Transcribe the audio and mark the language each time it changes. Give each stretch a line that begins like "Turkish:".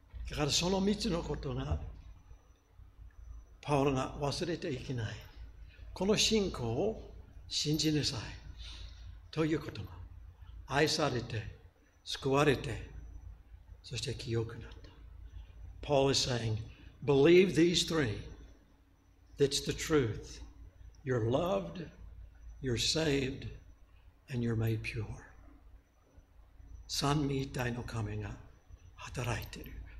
Japanese: だからその3つのことが、パウロが忘れてはいけない。この信仰を信じなさい。という言葉。愛されて、救われて、そして清くなった。
English: Paul is saying, believe these three. That's the truth. You're loved, you're saved, and you're made pure.
Japanese: 三位一体の神が働いている。